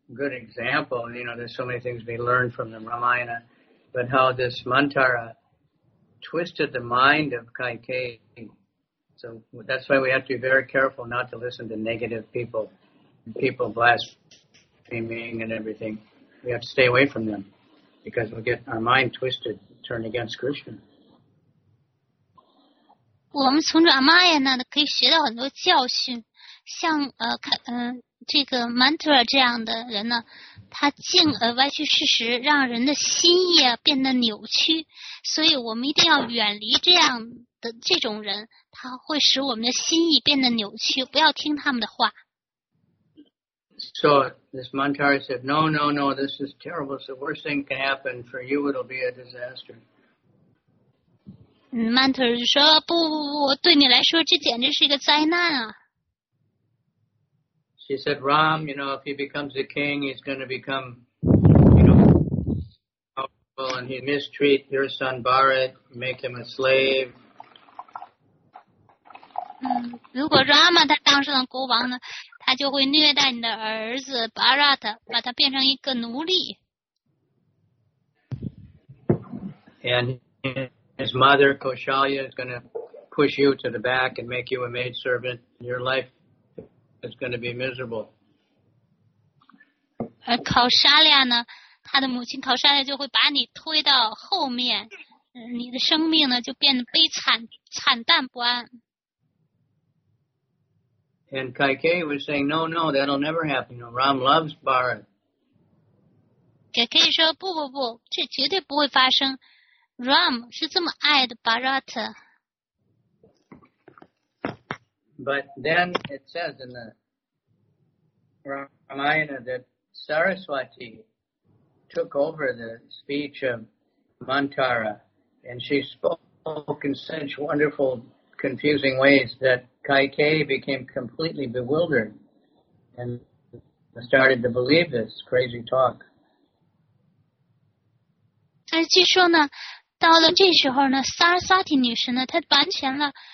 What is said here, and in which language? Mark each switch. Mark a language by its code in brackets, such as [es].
[en] good example, you know, there's so many things we learned from the Ramayana, but how this Mantara twisted the mind of Kaikeyi. So that's why we have to be very careful not to listen to negative people, people blaspheming and everything. We have to stay away from them because we'll get our mind twisted, turned against Krishna. [zh] 我们从 Ramayana 可以学到很多教训，像这个 Mantara 这样的人呢，他竟歪曲事实，让人的心意变得扭曲，所以我们一定要远离这样的这种人，他会使我们的心意变得扭曲，不要听他们的话。 [en] So this Mantara said, no, no, no, this is terrible. It's the worst thing can happen for you. It'll be a disaster. [zh] Mantara 就说，不不不，对你来说这简直是一个灾难啊。 [en] She said, Ram, you know, if he becomes a king, he's going to become, you know, powerful, and he mistreat your son Bharat, make him a slave. [zh] 如果 Rama 他当上国王呢，他就会虐待你的儿子 Bharat, 把他变成一个奴隶。 [en] And his mother, Kaushalya, is going to push you to the back and make you a maidservant in your life. It's going to be miserable. [zh] 而考沙利亚呢，他的母亲考沙利亚就会把你推到后面，你的生命呢就变得悲惨，惨淡不安。 [en] And Kaikeyi was saying, no, no, that'll never happen. You know, Ram loves Bharat. [zh] Kaikeyi 说，不不不，这绝对不会发生。Ram 是这么爱的 Bharat。 [en] But then it says in the Ramayana that Saraswati took over the speech of Mantara, and she spoke in such wonderful, confusing ways that Kaikeyi became completely bewildered and started to believe this crazy talk. [zh] 但是据说呢，到了这时候呢，萨尔萨提女士呢，她完全了。